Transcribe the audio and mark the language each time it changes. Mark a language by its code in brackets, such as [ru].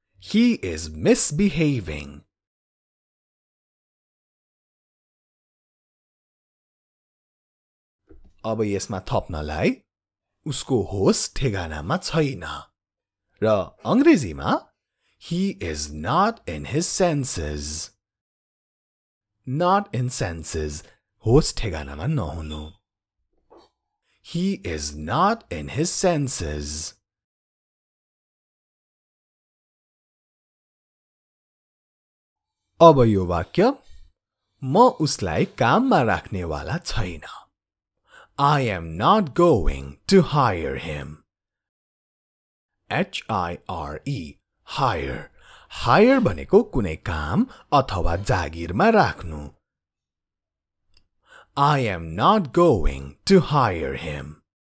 [en] He is misbehaving. [ne] अब यसमा थप्नलाई उसको होस ठेगानामा छैन र अंग्रेजीमा [en] he is not in his senses not in senses [ne] होस ठेगानामा नहुनु [en] he is not in his senses [ne] अब यो वाक्य म उसलाई काममा राख्ने वाला छैन [en] I am not going to hire him. H-I-R-E, hire. [ne] Hire भनेको कुनै काम अथवा जागिरमा राख्नु. [en] I am not going to hire him.